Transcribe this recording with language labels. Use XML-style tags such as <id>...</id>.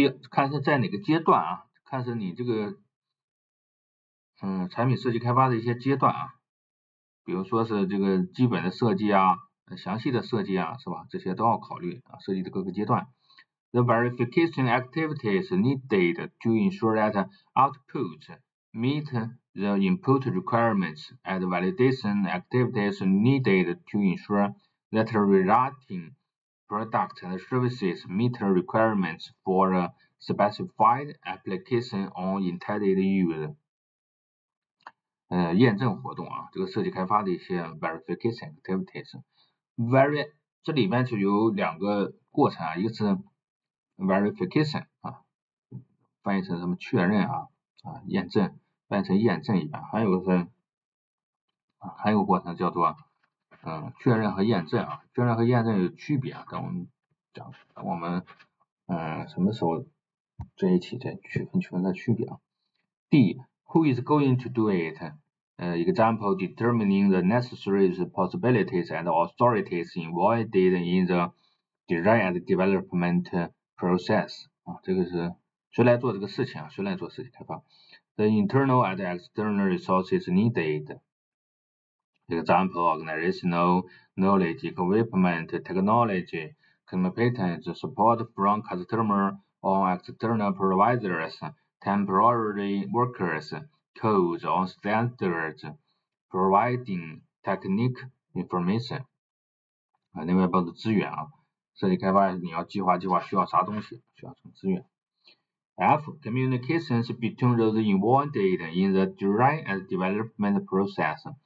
<zh>看是在哪个阶段啊，看是你这个产品设计开发的一些阶段啊，比如说是这个基本的设计啊，详细的设计啊，是吧，这些都要考虑啊，设计的各个阶段。</zh> <en>The verification activities needed to ensure that output meet the input requirements and validation activities needed to ensure that resulting product and services meet the requirements for a specified application on intended use.</en> <zh>验证活动啊，这个设计开发的一些</zh> <en>verification activities.</en> <zh>Very, 这里面就有两个过程啊，一个是 verification 啊，翻译成什么确认啊，验证，翻译成验证一般，还有个过程叫做确认和验证啊，确认和验证有区别啊，等我们什么时候在一起再区分的区别啊。</zh> <en>D, who is going to do it? Example, determining the necessary responsibilities and authorities involved in the design and development process.</en> <zh>啊，这个是谁来做这个事情啊，谁来做设计开发。</zh> <en>The internal and external resources needed. Example, organizational knowledge, equipment, technology, competence, support from customer or external providers, temporary workers, codes or standards, providing technique information.</en> <zh>另外包括资源啊，设计开发你要计划需要啥东西，需要什么资源。</zh> <en>F, communications between those involved in the design and development process.</en>